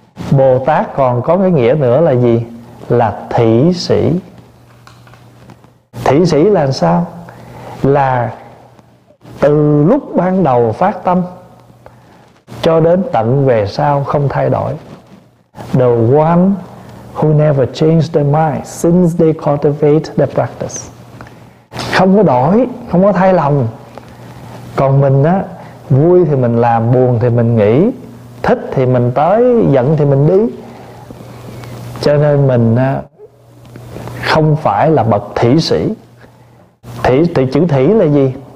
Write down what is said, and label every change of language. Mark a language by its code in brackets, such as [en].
[vi] Bồ Tát còn có cái nghĩa nữa là gì? Là thị sĩ. Thị sĩ là sao? Là từ lúc ban đầu phát tâm cho đến tận về sau không thay đổi. [en] The one who never changed their mind since they cultivate the practice. [vi] Không có đổi, không có thay lòng. Còn mình á, vui thì mình làm, buồn thì mình nghĩ, thích thì mình tới, giận thì mình đi. Cho nên mình không phải là bậc thị sĩ. Thị chữ thị là gì?